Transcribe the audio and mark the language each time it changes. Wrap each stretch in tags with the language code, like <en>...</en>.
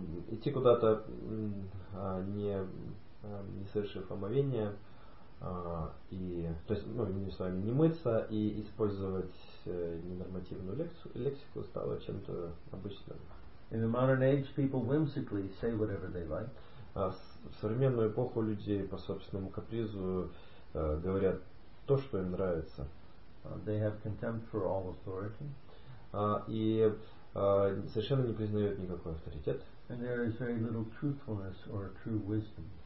<ru>Идти куда-то, не совершив омовения, и, то есть, ну, с вами не мыться и использовать ненормативную лексику стало чем-то обычным.</ru> <en>In the modern age, people whimsically say whatever they like.</en> <ru>В современную эпоху люди по собственному капризу говорят то, что им нравится.</ru> <en>They have contempt for all authority.</en> <ru>И совершенно не признают никакой авторитет.</ru> <en>And there is very little truthfulness or true wisdom.</en>